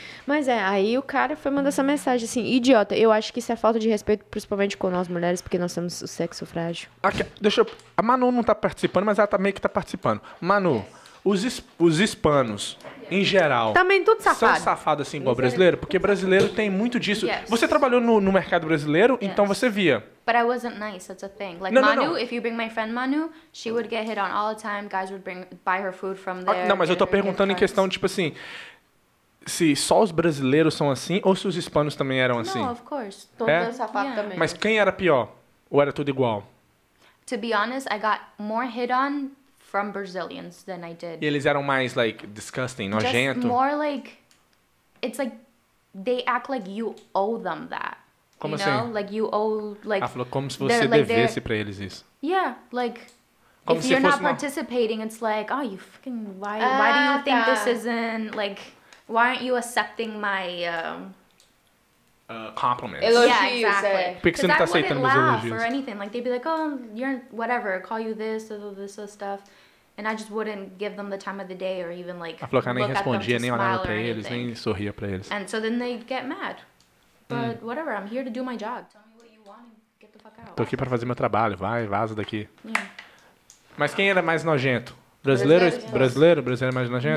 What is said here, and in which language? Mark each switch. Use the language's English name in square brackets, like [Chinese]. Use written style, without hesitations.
[Portuguese] Mas aí o cara foi mandar essa mensagem assim, idiota. Eu acho que isso é falta de respeito, principalmente com nós mulheres, porque nós temos o sexo frágil. Aqui, deixa eu... A Manu não tá participando, mas ela tá meio que tá participando. Manu, os hispanos... Em geral. Também tudo safado. São safados assim igual brasileiro? Porque brasileiro tem muito disso. [English] Yes. [Portuguese] Você trabalhou no mercado brasileiro, [English] yes. [Portuguese] Então você via. [English] But I wasn't nice, that's a thing. [Portuguese] Like, não, Manu, não, não. [English] If you bring my friend Manu, she would get hit on all the time. Guys would buy her food from there. [Portuguese] Não, mas eu tô perguntando em questão, tipo assim, se só os brasileiros são assim ou se os hispanos também eram assim? [English] No, of course. [Portuguese] Todo safado também. Mas quem era pior? Ou era tudo igual? [English] To be honest, I got more hit on from Brazilians than I did. [Portuguese] E eles eram mais, [English] like, disgusting, [Portuguese] nojento? [English] Just more like, it's like, they act like you owe them that. [Portuguese] Como [English] you [Portuguese] assim? [English] Know? Like, you owe, like... [Portuguese] Ela falou como se você devesse like, pra eles isso. [English] Yeah, like... Como if you're not participating, it's like, oh, you fucking, why do you think this isn't, like, why aren't you accepting my, compliments. [Portuguese] Elogios, [English] yeah, exactly. Because I wouldn't laugh or anything. Like, they'd be like, oh, you're, whatever, call you this, or this, or stuff. And I just wouldn't give them the time of the day or even, like, look at them to smile [Portuguese] eles, nem sorria pra eles. [English] And so then they'd get mad. But whatever, I'm here to do my job. Tell me what you want and get the fuck out. [Portuguese] Tô aqui pra fazer meu trabalho, vai, vaza daqui. [English] Yeah. [Portuguese] Mas quem era mais nojento? Brasileiro? Brasileiro? Brasileiro mais nojento?